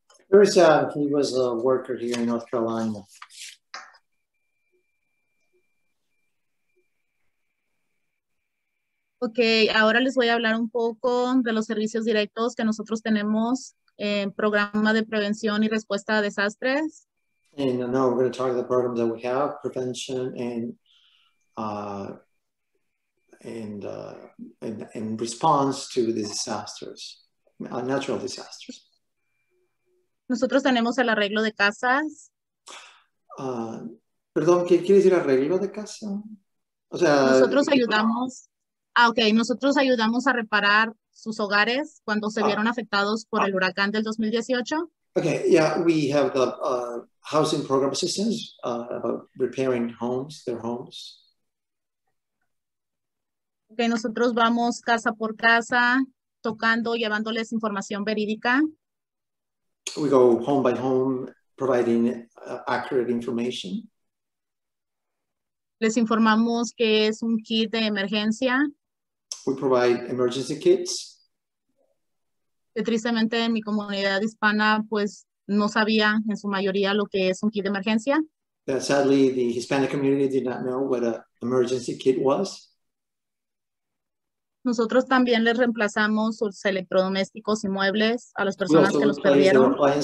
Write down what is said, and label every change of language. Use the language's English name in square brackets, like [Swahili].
[English] Very sad, he was a worker here in North Carolina. [Spanish] Ok, ahora les voy a hablar un poco de los servicios directos que nosotros tenemos en programa de prevención y respuesta a desastres. [English] And now we're going to talk about the program that we have, prevention and response to the disasters, natural disasters. [Spanish] Nosotros tenemos el arreglo de casas. Perdón, ¿qué quiere decir arreglo de casa? O sea, nosotros ayudamos. Ah, okay. Nosotros ayudamos a reparar sus hogares cuando se vieron afectados por el huracán del 2018. [English] Okay. Yeah, we have the housing program assistance about repairing homes, their homes. [Spanish] Que nosotros vamos casa por casa, tocando, llevándoles información verídica. [English] We go home by home, providing accurate information. [Spanish] Les informamos que es un kit de emergencia. [English] We provide emergency kits. [Spanish] Que tristemente en mi comunidad hispana, pues no sabía en su mayoría lo que es un kit de emergencia. [English] Sadly, the Hispanic community did not know what an emergency kit was. [Spanish] Nosotros también les reemplazamos sus electrodomésticos y muebles a las personas que los perdieron.